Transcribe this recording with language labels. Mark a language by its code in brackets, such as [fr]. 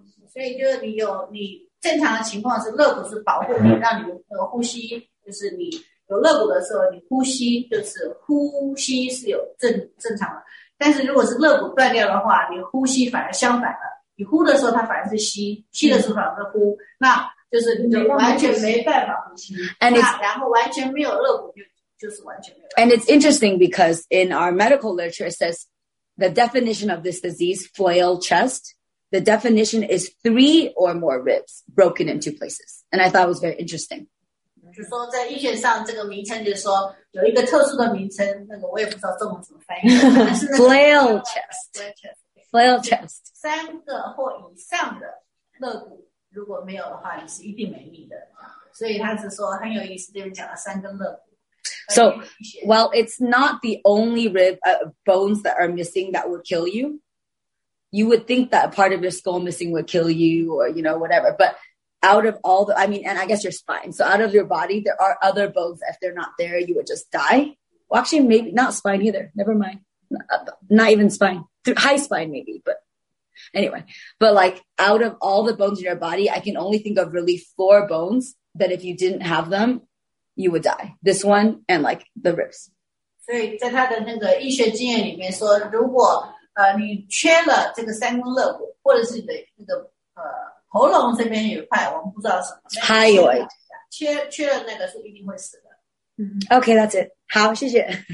[zh] 所以就是你正常的情况是肋骨是保护你，让你呼吸，就是你有肋骨的时候，你呼吸就是呼吸是有正常的。但是如果是肋骨断掉的话，你呼吸反而相反了。你呼的时候它反而是吸，吸的时候反而是呼。那就是你完全没办法呼吸。 [en] And [zh] 然后完全没有肋骨就是完全没有。 [en] And it's interesting because in our medical literature it says the definition of this disease, flail chest, the definition is three or more ribs broken in two places. And I thought it was very interesting. [zh] 就说在医学上这个名称就是说有一个特殊的名称，那个我也不知道中文怎么翻译。 [en] flail chest. Flail chest. [zh] 三个或以上的肋骨如果没有的话，你是一定没命的。所以他是说很有意思，这边讲了三根肋骨。 [en] So, while it's not the only rib bones that are missing that would kill you, you would think that a part of your skull missing would kill you or, you know, whatever. But out of all the, I mean, and I guess your spine. So out of your body, there are other bones. If they're not there, you would just die. Well, actually, maybe not spine either. Never mind. Not even spine. High spine, maybe. But anyway, but like out of all the bones in your body, I can only think of really four bones that if you didn't have them,you would die. This one and like the ribs. [zh] 所以在他的那个医学经验里面说，如果你缺了这个三根肋骨，或者是你的那个喉咙这边有块，我们不知道什么。 [en] Hyoid. [zh] 缺了那个是一定会死的。 [en] Mm-hmm. Okay, that's it. [zh] 好，谢谢。